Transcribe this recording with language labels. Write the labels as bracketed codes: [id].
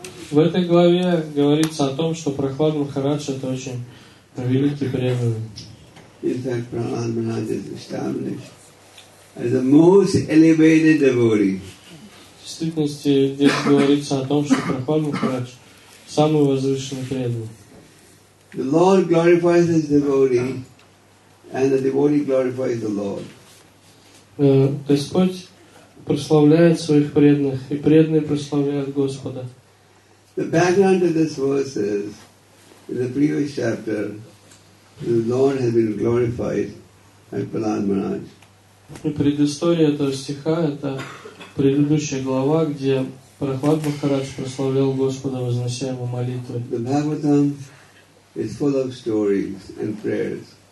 [ru] В этой главе говорится о том, что Прахлад Махарадж — это очень великий преданный. В действительности здесь говорится о том, что Прахлад Махарадж — самый возвышенный преданный. [en] The Lord glorifies his devotee, and the devotee glorifies the Lord. [ru] Господь прославляет своих преданных, и преданные прославляют Господа. [en] The background of this verse is, in the previous chapter, the Lord has been glorified by Prahlad Maharaj. [ru] И предыстория этого стиха — это предыдущая глава, где Прахлад Махарадж прославлял Господа, вознося ему молитвы. [en] The Bhagavatam is full of stories and prayers.